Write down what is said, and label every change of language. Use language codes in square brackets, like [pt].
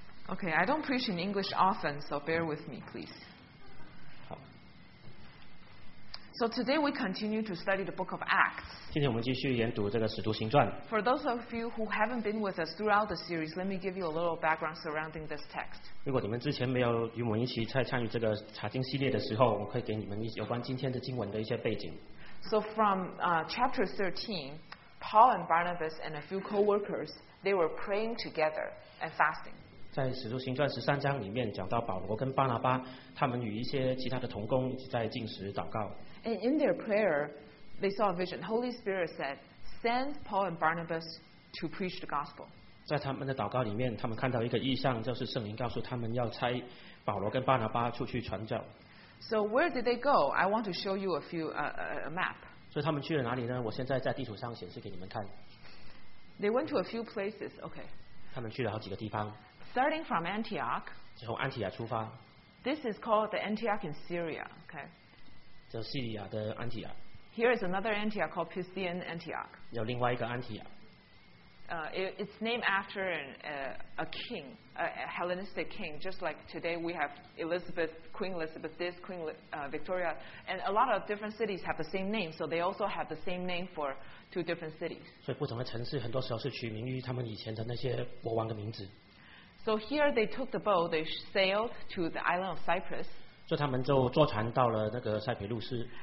[en] Okay, I don't preach in English often, so bear with me, please. So today we continue to study the book of Acts. [zh] 今天我们继续研读这个《使徒行传》。 [en] For those of you who haven't been with us throughout the series, let me give you a little background surrounding this text. [zh] 如果你们之前没有与我们一起参与这个查经系列的时候，我可以给你们有关今天的经文的一些背景。 [en] So from chapter 13, Paul and Barnabas and a few co-workers, they were praying together and fasting. [zh] 在《使徒行传》十三章里面讲到保罗跟巴拿巴，他们与一些其他的同工在禁食祷告。 [en] And in their prayer, they saw a vision. Holy Spirit said, "Send Paul and Barnabas to preach the gospel." [zh] 在他们的祷告里面，他们看到一个异象，就是圣灵告诉他们要差保罗跟巴拿巴出去传教。 [en] So where did they go? I want to show you a map. [zh] 所以他们去了哪里呢？我现在在地图上显示给你们看。 [en] They went to a few places. Okay. [zh] 他们去了好几个地方。 [en] Starting from Antioch. [zh] 从安提亚出发。 [en] This is called the Antioch in Syria. Okay. [zh] 叫叙利亚的安提亚。 [en] Here is another Antioch called Pisidian Antioch. [zh] 有另外一个安提亚。 [en] It's named after a king, a Hellenistic king, just like today we have Elizabeth, Queen Elizabeth this, Queen Victoria, and a lot of different cities have the same name, so they also have the same name for two different cities. [zh] 所以不同的城市很多时候是取名于他们以前的那些国王的名字。 [en] So here they took the boat, they sailed to the island of Cyprus. [zh] 所以他们就坐船到了那个塞浦路斯